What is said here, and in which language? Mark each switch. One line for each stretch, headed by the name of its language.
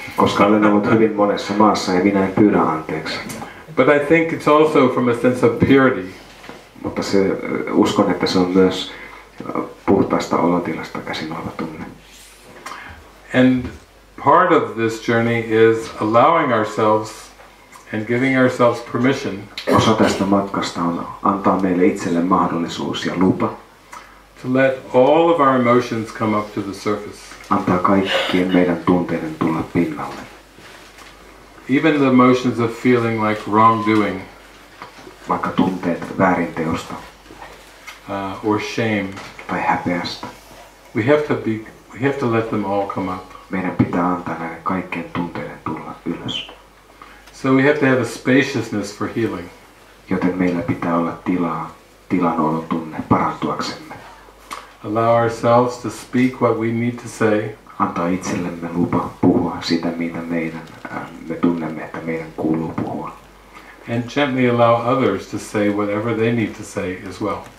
Finnish: Koska olen ollut hyvin monessa maassa ja minä en pyydä anteeksi.
English: But I think it's also from a sense of purity.
Finnish: Mutta se, uskon, että se on myös puhtaasta olotilasta käsin oleva tunne.
English: And part of this journey is allowing ourselves and giving ourselves permission.
Finnish: Osa tästä matkasta on antaa meille itselle mahdollisuus ja lupa.
English: To let all of our emotions come up to the surface.
Finnish: Antaa kaikkien meidän tunteiden tulla pinnalle.
English: Even the emotions of feeling like wrongdoing.
Finnish: Vaikka tunteet väärinteosta.
English: Or shame.
Finnish: Tai häpeästä.
English: We have to let them all come up.
Finnish: Meidän pitää antaa näiden kaikkien tunteiden tulla ylös.
English: So we have to have a spaciousness for healing.
Finnish: Joten meillä pitää olla tilaa, tilan olon tunne parantuaksemme.
English: Allow ourselves to speak what we need to say.
Finnish: Antaa itsellemme lupa puhua sitä, mitä me tunnemme, että meidän kuuluu puhua.
English: And gently allow others to say whatever they need to say as well.